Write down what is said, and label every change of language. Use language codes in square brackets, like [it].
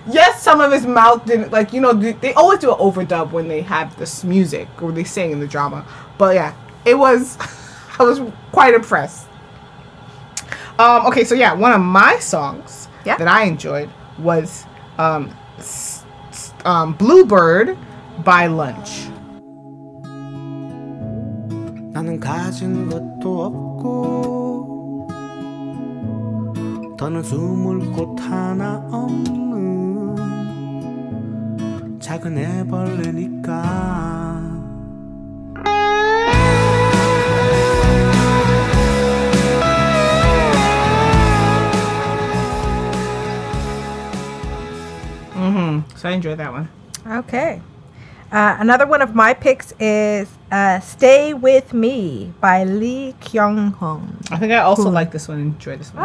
[en] Yes, some of his mouth didn't, like, you know, they always do an overdub when they have this music or they sing in the drama. But yeah, I was quite impressed. Okay, so yeah, one of my songs that I enjoyed was Bluebird by Lunch. [ko] 나는 가진 것도 없고 더는 숨을 곳 하나 없는 작은 애벌레니까 Mm-hmm. [en] So I enjoyed that one. Okay. Another one of my picks is Stay With Me by Lee Kyung Hong. I think I also like this one and enjoy this one.